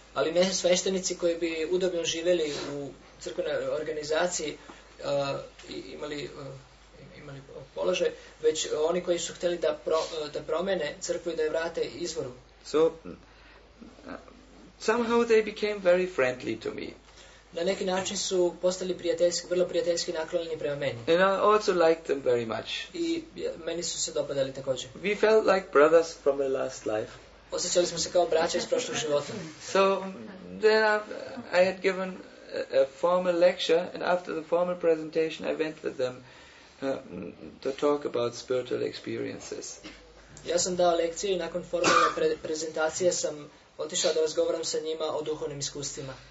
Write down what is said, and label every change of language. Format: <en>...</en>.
<sr>Ali ne sveštenici koji bi udobno živeli u crkvenoj organizaciji imali položaj, već oni koji su hteli da da promene crkvu i da je vrate izvoru.</sr> <en>So somehow they became very friendly to me.</en> <sr>Na neki način su postali prijateljski, vrlo prijateljski naklonjeni prema meni.</sr> <en>And I also liked them very much.</en> <sr>I meni su se dopadali također.</sr> <en>We felt like brothers from the last life.</en> <sr>Osjećali smo se kao braća iz prošlog života.</sr> <en>So then I had given a formal lecture and after the formal presentation I went with them to talk about spiritual experiences.</en> <sr>Ja sam dao lekciju i nakon formalne prezentacije sam otišao da razgovaram sa njima o duhovnim iskustvima.</sr>